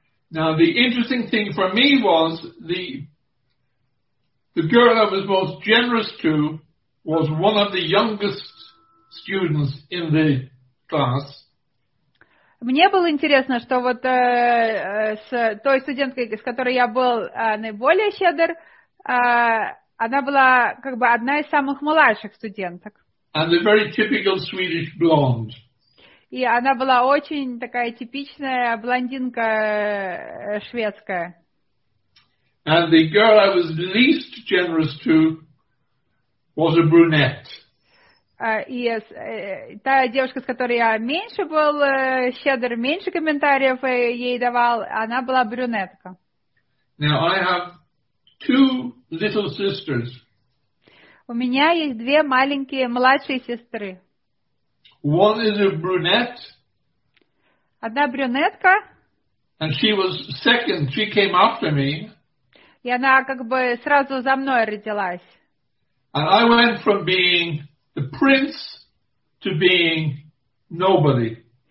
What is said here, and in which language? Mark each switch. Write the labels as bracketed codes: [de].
[en] Now the interesting thing for me was the girl I was most generous to was one of the youngest students in the class. [ru] Мне было интересно, что вот с той студенткой, с которой я был наиболее щедр, она была как бы одна из самых младших студенток. [en] And the very typical Swedish blonde. [ru] И она была очень такая типичная блондинка шведская. [en] And the girl I was least generous to was a brunette. [ru] Та девушка, с которой я меньше был щедр, меньше комментариев ей давал, она была брюнетка. [en] Now I have two little sisters. [ru] У меня есть две маленькие младшие сестры. [en] One is a brunette. [ru] Одна брюнетка. [en] And she was second. She came after me. [ru] И она как бы сразу за мной родилась. [en] And I went from being the prince to being nobody.